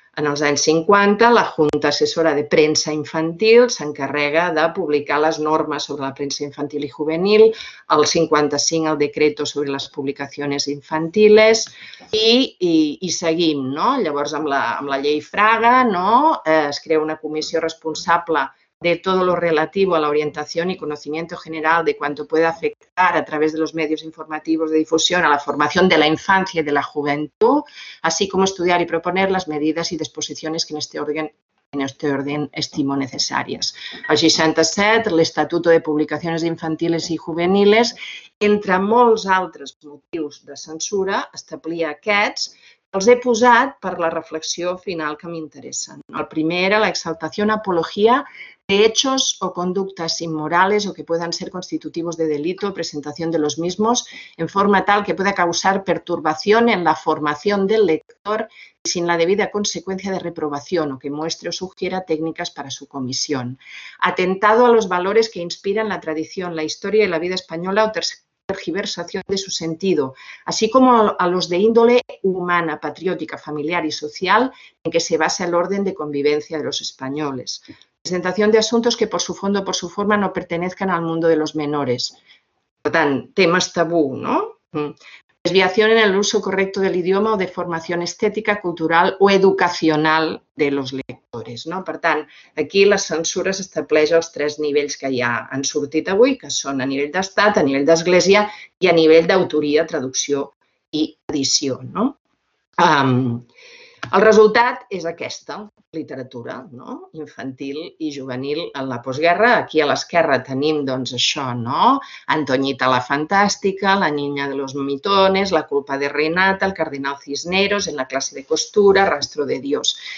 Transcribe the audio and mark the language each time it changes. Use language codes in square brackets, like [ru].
[ca] En els anys 50, la Junta Assessora de Premsa Infantil s'encarrega de publicar les normes sobre la premsa infantil i juvenil, el 55, el Decreto sobre les publicacions infantiles, i seguim, no? Llavors, amb la llei Fraga, no? Es crea una comissió responsable de [es] todo lo relativo a la orientación y conocimiento general de cuanto puede afectar a través de los medios informativos de difusión a la formación de la infancia y de la juventud, así como estudiar y proponer las medidas y disposiciones que en este orden estimo necesarias. [ca] El 67, l'Estatuto de Publicaciones Infantiles y Juveniles, entre molts altres motius de censura, establia aquests. Els he posat per la reflexió final que m'interessa. El primer era l'exaltació apologia de [es] hechos o conductas inmorales o que puedan ser constitutivos de delito, presentación de los mismos, en forma tal que pueda causar perturbación en la formación del lector y sin la debida consecuencia de reprobación o que muestre o sugiera técnicas para su comisión. Atentado a los valores que inspiran la tradición, la historia y la vida española o tergiversación de su sentido, así como a los de índole humana, patriótica, familiar y social en que se basa el orden de convivencia de los españoles. Presentación de asuntos que por su fondo o por su forma no pertenezcan al mundo de los menores. Por tanto, temas tabú, ¿no? Desviación en el uso correcto del idioma o de formación estética, cultural o educacional de los lectores, ¿no? [ca] Per tant, aquí la censura s'estableix els tres nivells que ja han sortit avui, que són a nivell d'Estat, a nivell d'Església i a nivell d'autoria, traducció i edició, ¿no? El resultat és aquesta literatura, no? Infantil i juvenil en la postguerra. Aquí a l'esquerra tenim, doncs, això, no? Antoñita la Fantàstica, La niña de los mitones, La culpa de Renata, El cardenal Cisneros, En la clase de costura, Rastro de Dios.